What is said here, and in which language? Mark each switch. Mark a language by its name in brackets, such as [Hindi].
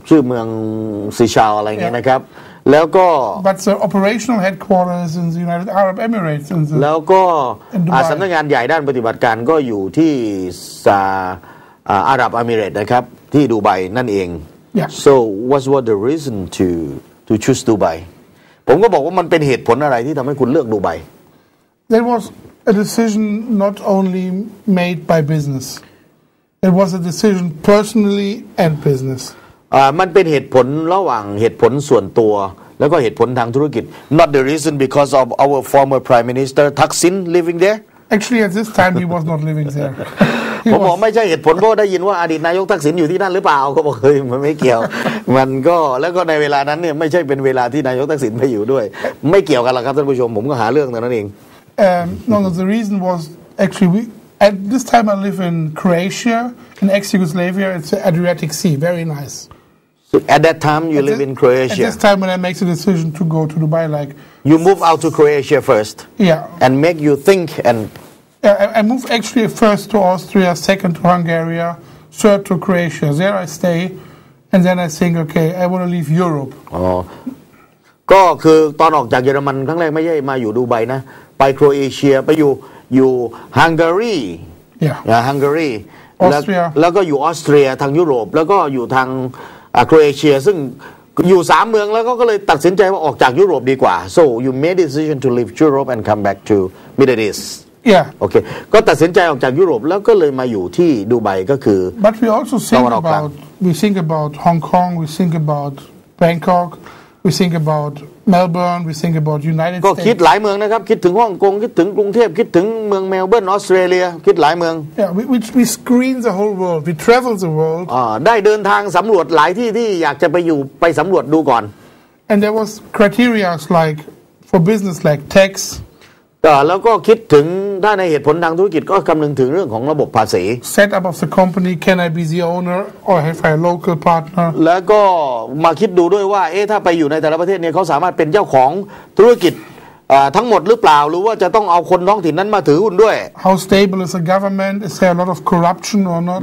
[Thai] ชื่อเมืองซีชาวอะไรเงี้ยนะครับแล้วก็ [English] But the operational headquarters in the United Arab Emirates in the [Thai] แล้วก็สำนักงานใหญ่ด้านปฏิบัติการก็อยู่ที่ซาอาหรับเอมิเรตส์นะครับที่ดูไบนั่นเอง [English] yeah. So what the reason to choose Dubai [Thai] ผมก็บอกว่ามันเป็นเหตุผลอะไรที่ทำให้คุณเลือกดูไบ [English] There was a decision not only made by business It was a decision personally and business [Thai] มันเป็นเหตุผลระหว่างเหตุผลส่วนตัวแล้วก็เหตุผลทางธุรกิจ [English] Not the reason because of our former prime minister Thaksin living there Actually at this time he was not living there [Thai] ผมบอกไม่ใช่เหตุผลเพราะได้ยินว่าอดีตนายกทักษิณอยู่ที่นั่นหรือเปล่าเขาบอกเฮ้ยมันไม่เกี่ยวมันก็แล้วก็ในเวลานั้นเนี่ยไม่ใช่เป็นเวลาที่นายกทักษิณไปอยู่ด้วยไม่เกี่ยวกันหรอกครับท่านผู้ชมผมก็หาเรื่องนั่นเอง [English] No, the reason was actually we at this time I live in Croatia in ex-Yugoslavia it's the Adriatic Sea very nice so at that time you live in Croatia at this time when I make the decision to go to Dubai like you move out to Croatia first yeah and make you think and I moved actually first to Austria, second to Hungary, third to Croatia. There I stay, and then I think, okay, I want to leave Europe. [Thai] ก็คือตอนออกจากเยอรมันครั้งแรกไม่ใช่มาอยู่ดูไบนะไปโครเอเชียไปอยู่ฮังการี [English] yeah Hungary Austria [Thai] แล้วก็อยู่ออสเตรียทางยุโรปแล้วก็อยู่ทางโครเอเชียซึ่งอยู่สามเมืองแล้วก็เลยตัดสินใจว่าออกจากยุโรปดีกว่า [English] so you made decision to leave Europe and come back to Middle East Yeah. Okay. [Thai] ก็ตัดสินใจออกจากยุโรปแล้วก็เลยมาอยู่ที่ดูไบก็คือ [English] But we also think about Hong Kong, we think about Bangkok, we think about Melbourne, we think about United States. [Thai] ก็คิดหลายเมืองนะครับคิดถึงฮ่องกงคิดถึงกรุงเทพคิดถึงเมืองเมลเบิร์นออสเตรเลียคิดหลายเมือง [English] Yeah, we screen the whole world. We travel the world. [Thai] ได้เดินทางสำรวจหลายที่ที่อยากจะไปอยู่ไปสำรวจดูก่อน [English] And there was criteria like for business like tax [Thai] แล้วก็คิดถึงถ้าในเหตุผลทางธุรกิจก็คำนึงถึงเรื่องของระบบภาษี [English] Set up of the company can I be the owner or have I a local partner [Thai] แล้วก็มาคิดดูด้วยว่าถ้าไปอยู่ในแต่ละประเทศเนี่ยเขาสามารถเป็นเจ้าของธุรกิจทั้งหมดหรือเปล่าหรือว่าจะต้องเอาคนท้องถิ่นนั้นมาถือหุ้นด้วย [English] How stable is the government is there a lot of corruption or not